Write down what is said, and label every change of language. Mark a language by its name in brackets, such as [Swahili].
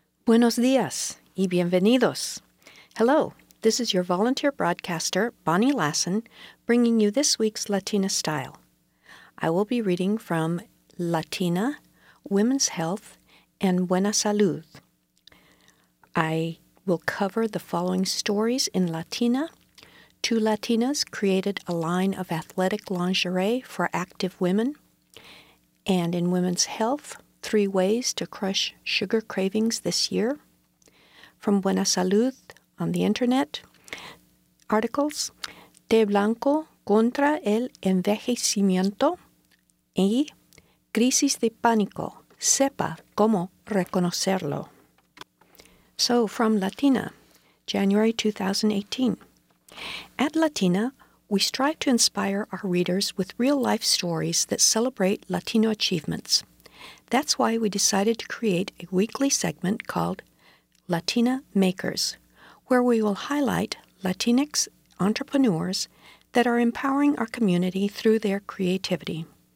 [Spanish] Buenos días y bienvenidos. [English] Hello, this is your volunteer broadcaster, Bonnie Lassen, bringing you this week's Latina Style. I will be reading from Latina, Women's Health, and Buena Salud. I will cover the following stories in Latina. Two Latinas created a line of athletic lingerie for active women. And in Women's Health, three ways to crush sugar cravings this year. From Buena Salud on the Internet, articles, [Spanish] Té Blanco contra el envejecimiento y Crisis de Pánico, sepa cómo reconocerlo. [English] So, from Latina, January 2018. At Latina, we strive to inspire our readers with real-life stories that celebrate Latino achievements. That's why we decided to create a weekly segment called Latina Makers, where we will highlight Latinx entrepreneurs that are empowering our community through their creativity.